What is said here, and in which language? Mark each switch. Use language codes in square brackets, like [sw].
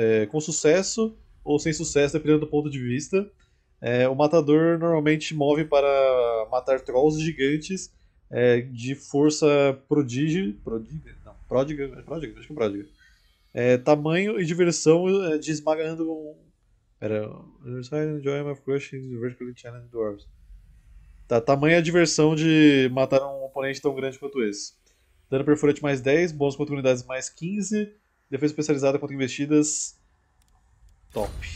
[pt] Com sucesso ou sem sucesso, dependendo do ponto de vista. O matador normalmente move para matar trolls gigantes de força prodígio, prodígio, não, pródiga, acho que é pródiga. Tamanho e diversão de esmagando um. Pera, [en] enjoy my crushing vertically challenged dwarves. [pt] Tá, tamanho e diversão de matar um oponente tão grande quanto esse. Dano perfurante mais 10, bônus contra unidades mais 15, defesa especializada contra investidas. Top.